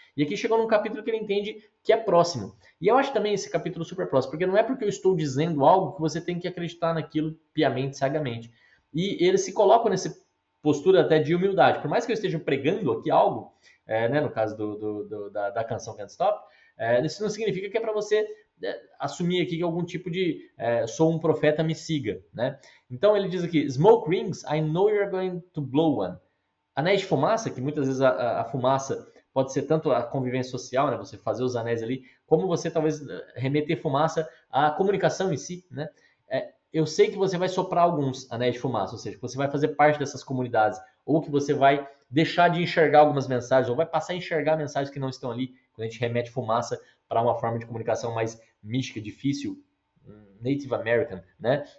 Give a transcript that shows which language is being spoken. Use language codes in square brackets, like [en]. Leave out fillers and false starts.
[pt] E aqui chegou num capítulo que ele entende que é próximo. E eu acho também esse capítulo super próximo, porque não é porque eu estou dizendo algo que você tem que acreditar naquilo piamente, cegamente. E ele se coloca nessa postura até de humildade. Por mais que eu esteja pregando aqui algo, né, no caso da canção Can't Stop, isso não significa que é para você assumir aqui que algum tipo de sou um profeta, me siga, né? Então ele diz aqui: [en] smoke rings, I know you're going to blow one. [pt] Anéis de fumaça, que muitas vezes a fumaça pode ser tanto a convivência social, né, você fazer os anéis ali, como você talvez remeter fumaça à comunicação em si, né? Eu sei que você vai soprar alguns anéis de fumaça, ou seja, que você vai fazer parte dessas comunidades, ou que você vai deixar de enxergar algumas mensagens, ou vai passar a enxergar mensagens que não estão ali, quando a gente remete fumaça para uma forma de comunicação mais mística, difícil, Native American, né?